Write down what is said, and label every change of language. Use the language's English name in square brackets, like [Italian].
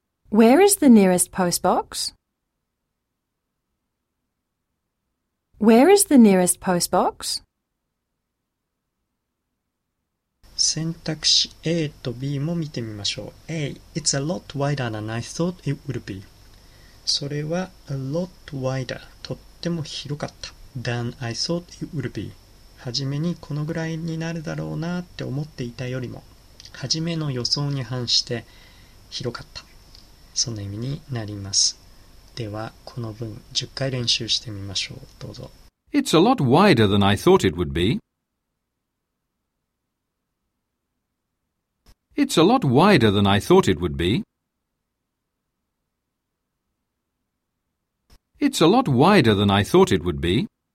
[English] Where is the nearest post box? Where is the nearest post box? [Japanese] 選択肢 A と B も見てみましょう。 [English] A It's a lot wider than I thought it would be. [Japanese] それは [English] a lot wider [Japanese] とっても広かった [English] than I thought it would be. [Japanese] はじめにこのぐらいになるだろうなって思っていたよりもはじめの予想に反して広かった、そんな意味になります。ではこの文10回練習してみましょう。どうぞ。 [English] It's a lot wider than I thought it would beIt's a lot wider than I thought it would be. It's a lot wider than I thought it would be.